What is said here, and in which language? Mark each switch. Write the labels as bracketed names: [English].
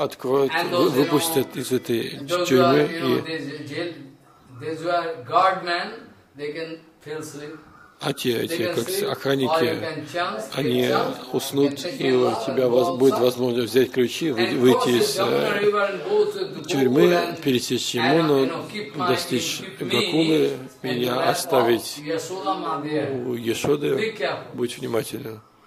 [Russian] Откроют, выпустят из этой тюрьмы. [English] И those who are guard men, they can feel sleep. [Russian] А те, как охранники, они уснут, и у тебя будет возможность взять ключи, выйти из тюрьмы, пересечь Ямуну, достичь Гокулы, меня оставить у Яшоды, будь внимателен.